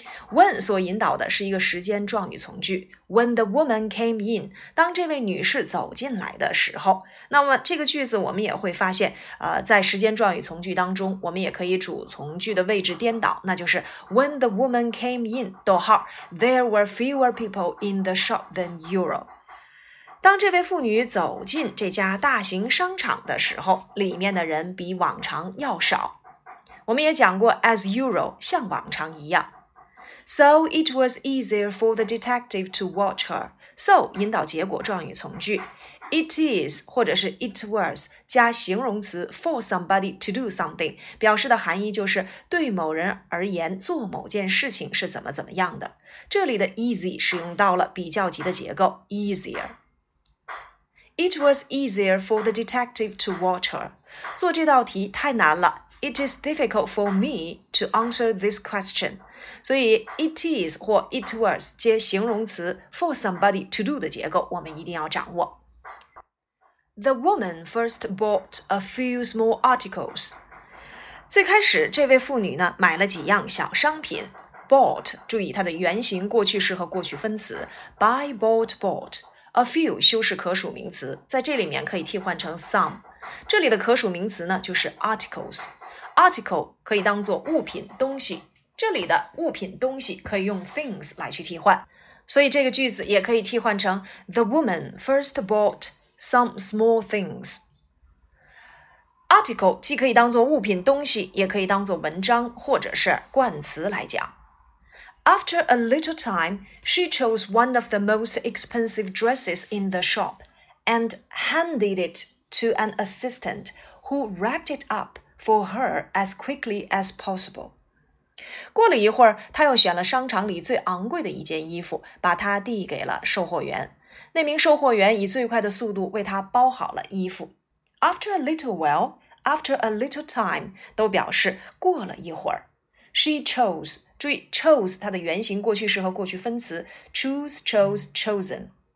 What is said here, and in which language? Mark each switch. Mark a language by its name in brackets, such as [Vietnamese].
[Chinese] When 所引导的是一个时间状语从句 ， [English] When the woman came in， [Chinese] 当这位女士走进来的时候，那么这个句子我们也会发现，在时间状语从句当中，我们也可以主从句的位置颠倒，那就是 When the woman came in， 逗号 ， [English] There were fewer people in the shop than usual。 [Chinese] 当这位妇女走进这家大型商场的时候，里面的人比往常要少。我们也讲过 ， [English] as usual， [Chinese] 像往常一样。 [English] So it was easier for the detective to watch her. [Chinese] So 引导结果状语从句 ，it is 或者是 it was 加形容词 [English] for somebody to do something [Chinese] 表示的含义就是对某人而言做某件事情是怎么怎么样的。这里的 easy 使用到了比较级的结构 easier。 [English] It was easier for the detective to watch her. [Chinese] 做这道题太难了 [English] It is difficult for me to answer this question. [Chinese] 所以 it is 或 it was 接形容词 for somebody to do 的结构我们一定要掌握。 [English] The woman first bought a few small articles. [Chinese] 最开始这位妇女呢买了几样小商品。 Bought, 注意它的原型过去式和过去分词。 [English] Buy, bought, bought. [Chinese] A few 修饰可数名词在这里面可以替换成 some。这里的可数名词呢就是 articles。Article 可以当作物品东西。这里的物品东西可以用 things 来去替换。所以这个句子也可以替换成 [English] The woman first bought some small things. [Chinese] Article 既可以当作物品东西也可以当作文章或者是冠词来讲。 [English] After a little time, she chose one of the most expensive dresses in the shop and handed it to an assistant who wrapped it up for her as quickly as possible. [Chinese] 过了一会儿，她又选了商场里最昂贵的一件衣服，把它递给了售货员。那名售货员以最快的速度为她包好了衣服。 [English] After a little while, after a little time, [Chinese] 都表示过了一会儿。 She chose, 注意 chose 它的原型过去式和过去分词 [English] choose, chose, chosen.